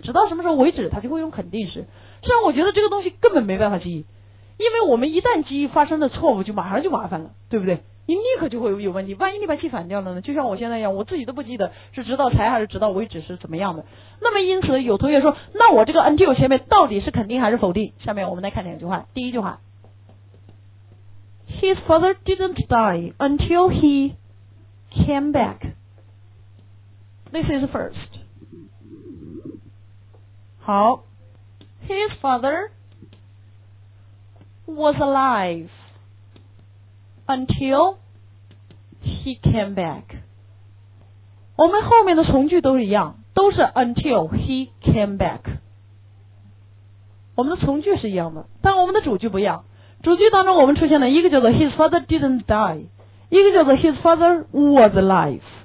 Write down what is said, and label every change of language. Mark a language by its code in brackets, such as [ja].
[zh] 直到什么时候为止，他就会用肯定式。虽然我觉得这个东西根本没办法记忆，因为我们一旦记忆发生的错误就马上就麻烦了，对不对？你立刻就会有问题，万一你把记反掉了呢？就像我现在一样，我自己都不记得是直到才还是直到为止是怎么样的。那么因此有同学说，那我这个 until 前面到底是肯定还是否定？下面我们来看两句话。第一句话， [en] His father didn't die until he came back. This is first. 好， His father was aliveUntil he came back. [zh] 我们后面的从句都是一样，都是 [en] until he came back. [zh] 我们的从句是一样的，但我们的主句不一样。主句当中我们出现了一个叫做 [en] his father didn't die, [zh] 一个叫做 [en] his father was alive.